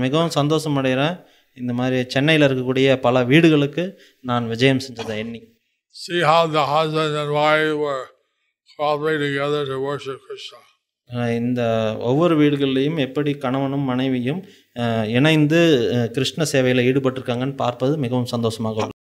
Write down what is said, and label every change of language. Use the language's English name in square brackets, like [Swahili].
[Tamil] மிகவும் சந்தோஷம் அடைகிறேன், இந்த மாதிரி சென்னையில் இருக்கக்கூடிய பல வீடுகளுக்கு நான் விஜயம் செஞ்சதை எண்ணி. [English] See how the husband and wife were cooperating together to worship Krishna. [Tamil] இந்த ஒவ்வொரு வீடுகளிலையும் எப்படி கணவனும் மனைவியும் இணைந்து கிருஷ்ண சேவையில் ஈடுபட்டிருக்காங்கன்னு பார்ப்பது மிகவும் சந்தோஷமாக